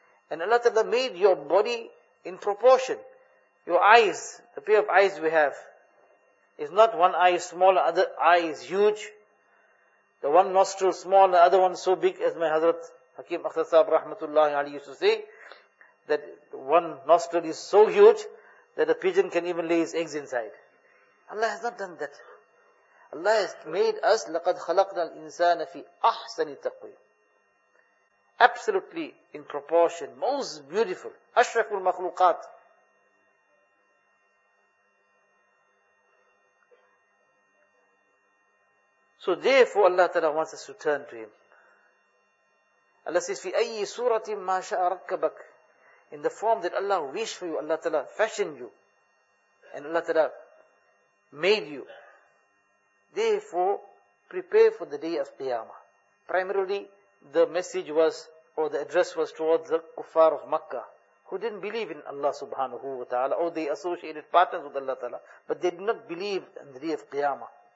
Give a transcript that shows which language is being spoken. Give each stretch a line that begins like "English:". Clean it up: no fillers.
English: And Allah ta'ala made your body in proportion. Your eyes, the pair of eyes we have, is not one eye small, other eye is huge. The one nostril small, the other one so big, as my Hazrat Hakim Akhtar Sahab Rahmatullah Ali used to say that one nostril is so huge that a pigeon can even lay his eggs inside. Allah has not done that. Allah has made us,
Arabic: لَقَدْ خَلَقْنَا الْإِنسَانَ فِي أَحْسَنِ التَّقْوِيمِ.
English: Absolutely in proportion, most beautiful,
Arabic: أَشْرَفُ الْمَخْلُوقَاتِ.
English: So therefore Allah Ta'ala wants us to turn to Him. Allah says,
Arabic: فِيَأَيِّ سُورَةٍ مَا شَاءَ رَكَّبَكَ.
English: In the form that Allah wished for you, Allah Ta'ala fashioned you, and Allah Ta'ala made you. Therefore, prepare for the day of Qiyamah. Primarily, the message was, or the address was towards the Kuffar of Makkah, who didn't believe in Allah subhanahu wa ta'ala, or they associated partners with Allah ta'ala, but they did not believe in the day of Qiyamah.